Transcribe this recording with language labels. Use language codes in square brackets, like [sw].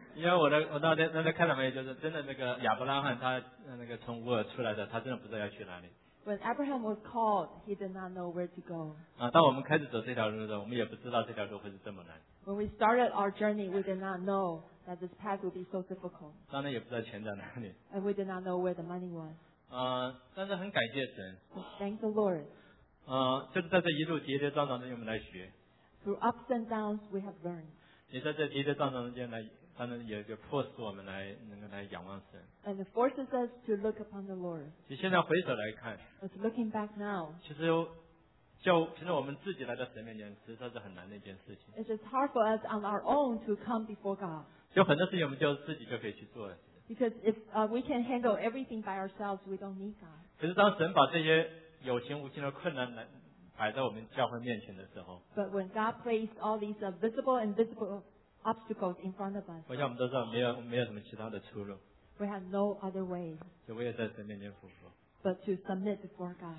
[zh] 因为我那天看到没有，就是真的那个亚伯拉罕他那个从乌尔出来的，他真的不知道要去哪里。 [en] When Abraham was called, he did not know where to go. [zh] 当我们开始走这条路的时候，我们也不知道这条路会是这么难。 [en] When we started our journey, we did not know that this path would be so difficult. [zh] 当然也不知道钱在哪里。 [en] And we did not know where the money was. [zh] 但是很感谢神。 [en] Thank the Lord. [zh] 就是在这一路跌跌撞撞中，我们来学。 [en] Through ups and downs, we have learned. [zh] 也在这跌跌撞撞中间来，当然也就迫使我们来能够来仰望神。 [en] And it forces us to look upon the Lord. [zh] 就现在回首来看。 [en] But looking back now. [zh] 其实我们自己来到神面前，实在是很难的一件事情。 [en] It is hard for us on our own to come before God. [zh] 就很多事情我们就自己就可以去做了。 [en] Because if we can handle everything by ourselves, we don't need God. [zh] 可是当神把这些有形无形的困难来摆在我们教会面前的时候 [en] ，But when God placed all these visible and invisible obstacles in front of us, [zh] 我想我们都知道没有什么其他的出路。 [en] We have no other way. [zh] 就唯有在神面前俯伏。 [en] But to submit before God.